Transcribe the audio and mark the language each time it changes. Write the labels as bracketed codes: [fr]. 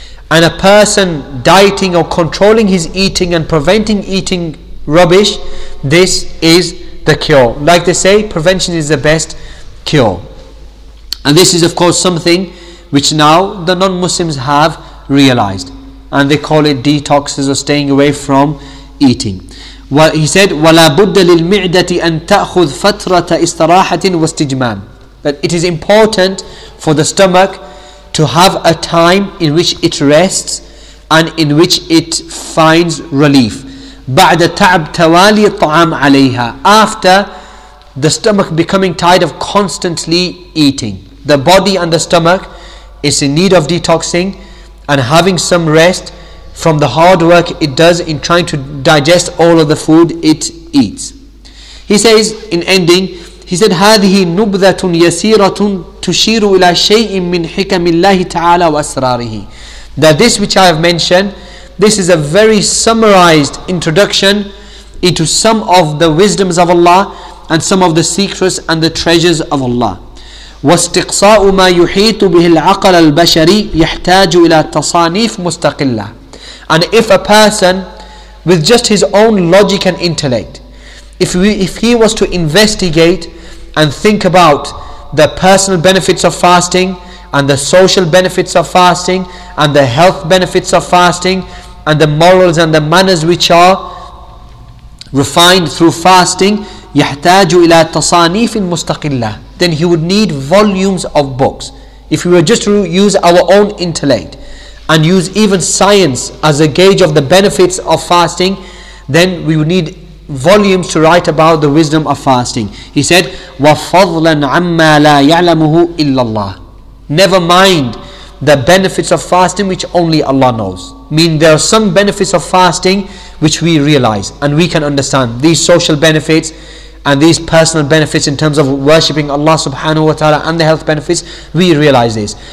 [en] And a person dieting or controlling his eating and preventing eating rubbish, this is the cure. Like they say, prevention is the best cure. And this is of course something which now the non-Muslims have realized, and they call it detoxes or staying away from eating. Well, he said, [ar] وَلَا بُدَّ لِلْمِعْدَةِ أَن تَأْخُذْ فَتْرَةَ إِسْتَرَاحَةٍ وَاسْتِجْمَامٍ. [en] That it is important for the stomach to have a time in which it rests and in which it finds relief. [ar] بَعْدَ تَعْبْ تَوَالِيَ الطَّعَامْ عَلَيْهَا. [en] After the stomach becoming tired of constantly eating, the body and the stomach is in need of detoxing and having some rest from the hard work it does in trying to digest all of the food it eats. He says in ending, He said, [ar] هَذِهِ نُبْذَةٌ يَسِيرَةٌ تُشِيرُ إِلَى شَيْءٍ مِّنْ حِكَمِ اللَّهِ تَعَالَى وَأَسْرَارِهِ. [en] That this which I have mentioned, this is a very summarized introduction into some of the wisdoms of Allah and some of the secrets and the treasures of Allah. [ar] وَاسْتِقْصَاءُ مَا يُحِيطُ بِهِ الْعَقَلَ الْبَشَرِي يَحْتَاجُ إِلَى تَصَانِيفٍ مُسْتَقِلَّةٍ. [en] And if a person with just his own logic and intellect, if he was to investigate and think about the personal benefits of fasting and the social benefits of fasting and the health benefits of fasting and the morals and the manners which are refined through fasting, [ar] يَحْتَاجُ إِلَى تَصَانِيفٍ مُسْتَقِلَّةٍ, [en] then he would need volumes of books. If we were just to use our own intellect and use even science as a gauge of the benefits of fasting, then we would need volumes to write about the wisdom of fasting. He said, [ar] وَفَضْلًا عَمَّا لَا يَعْلَمُهُ إِلَّا اللَّهِ. [en] Never mind the benefits of fasting which only Allah knows. Mean there are some benefits of fasting which we realize and we can understand. These social benefits and these personal benefits in terms of worshipping Allah subhanahu wa ta'ala and the health benefits, we realize this.